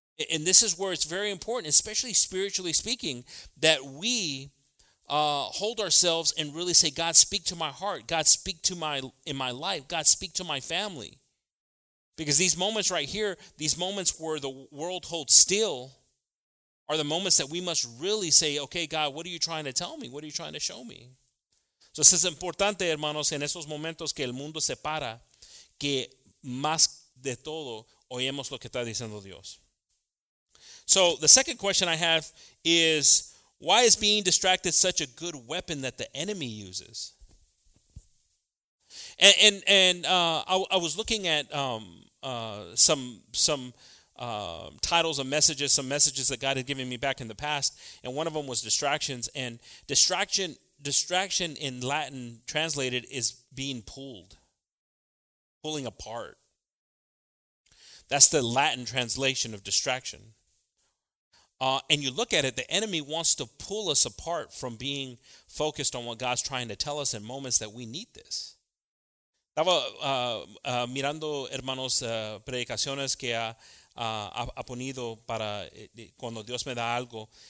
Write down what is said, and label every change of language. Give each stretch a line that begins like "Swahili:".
English: And this is where it's very important, especially spiritually speaking, that we hold ourselves and really say, God, speak to my heart. God, speak to my life. God, speak to my family. Because these moments right here, these moments where the world holds still, are the moments that we must really say, okay, God, what are you trying to tell me? What are you trying to show me?
Spanish: So es importante, hermanos, en esos momentos que el mundo se para, que más de todo oyemos lo que está diciendo Dios.
English: So the second question I have is, why is being distracted such a good weapon that the enemy uses? I was looking at some titles of messages, some messages that God had given me back in the past, and one of them was distractions. And distraction in Latin translated is being pulling apart. That's the Latin translation of distraction. And you look at it, the enemy wants to pull us apart from being focused on what God's trying to tell us in moments that we need this.
Spanish: Estaba mirando, hermanos, predicaciones que ha ponido para cuando Dios me da algo.